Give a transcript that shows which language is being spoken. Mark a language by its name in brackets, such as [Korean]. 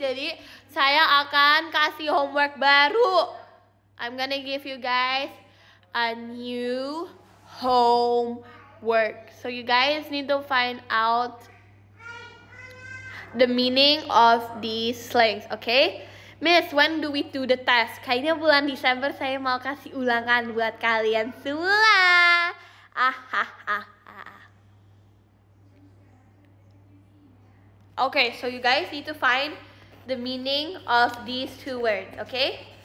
[Indonesian] Jadi saya akan kasih homework baru. [English] I'm gonna give you guys a new homework. So you guys need to find out the meaning of these slangs, okay? Miss, when do we do the test? [Indonesian] Kayaknya bulan Desember saya mau kasih ulangan buat kalian semua. Ahahaha. [English] Okay, so you guys need to find the meaning of these two words, okay?